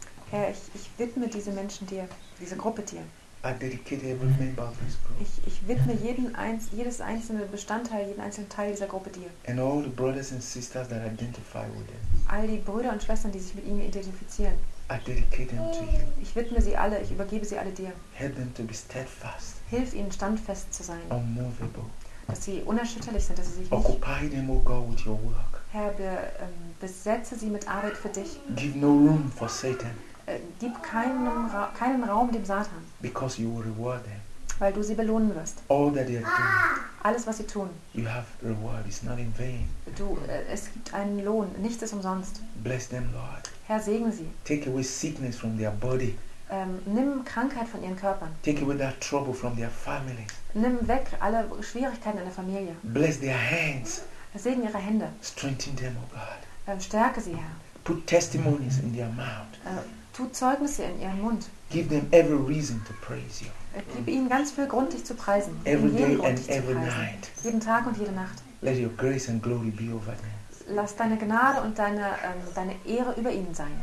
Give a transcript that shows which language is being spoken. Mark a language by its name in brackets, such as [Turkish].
[German] Herr, ich widme diese Menschen dir, diese Gruppe dir. Ich widme jedes einzelne Bestandteil, jeden einzelnen Teil dieser Gruppe dir. [English] And all the brothers and sisters that identify with them. [German] All die Brüder und Schwestern, die sich mit ihnen identifizieren. [English] I dedicate them to you. [German] Ich widme sie alle, ich übergebe sie alle dir. [English] Help them to be steadfast. [German] Hilf ihnen standfest zu sein. [English] Unmovable. [German] Dass sie unerschütterlich sind, dass sie sich nicht. [English] Occupy them, oh God, with your work. [German] Herr, besetze sie mit Arbeit für dich. [English] Give no room for Satan. [German] Gib keinen Raum dem Satan. [English] Because you will reward them. [German] Weil du sie belohnen wirst. [English] All that they are doing. [German] Alles, was sie tun. [English] You have reward. It's not in vain. [German] Es gibt einen Lohn. Nichts ist umsonst. [English] Bless them, Lord. [German] Herr, segne sie. [English] Take away sickness from their body. [German] Nimm Krankheit von ihren Körpern. [English] Take away that trouble from their family. [German] Nimm weg alle Schwierigkeiten in der Familie. [English] Bless their hands. [German] Segen ihre Hände. [English] Strengthen them, oh God. [German] Stärke sie, Herr. [English] Put testimonies in their mouth. [German] Tu Zeugnisse in ihren Mund. [English] Give them every reason to praise you. [German] Gib ihnen ganz viel Grund, dich zu preisen. [English] Every [German] jeden [English] day [German] Grund, [English] and every [German] preisen. [English] Night. [German] Jeden Tag und jede Nacht. [English] Let your grace and glory be over them. [German] lass deine Gnade und deine, deine Ehre über ihnen sein.